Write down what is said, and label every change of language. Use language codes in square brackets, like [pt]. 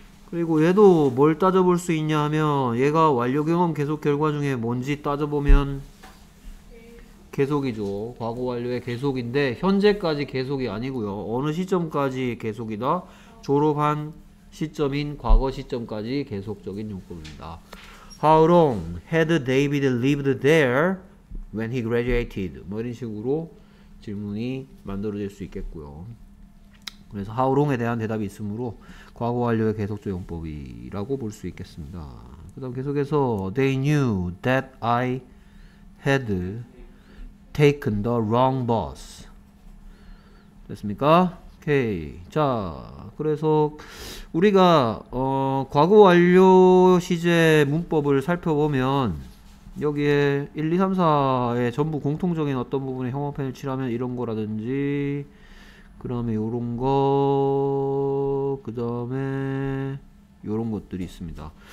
[ko] 그리고 얘도 뭘 따져볼 수 있냐 하면 얘가 완료 경험 계속 결과 중에 뭔지 따져보면 계속이죠. 과거 완료의 계속인데 현재까지 계속이 아니고요. 어느 시점까지 계속이다? 졸업한 시점인 과거 시점까지 계속적인 용법입니다. [en] How long had David lived there when he graduated? [ko] 뭐 이런 식으로 질문이 만들어질 수 있겠고요. 그래서 [en] how long [ko] 에 대한 대답이 있으므로 과거 완료의 계속적 용법이라고 볼수 있겠습니다. 그다음 계속해서 [en] they knew that I had taken the wrong bus. [ko] 됐습니까? 오케이. 자, 그래서 우리가 과거 완료 시제 문법을 살펴보면 여기에 1, 2, 3, 4의 전부 공통적인 어떤 부분의 형용사 패턴을 칠하면 이런 거라든지 그다음에 요런 거, 그다음에 요런 것들이 있습니다.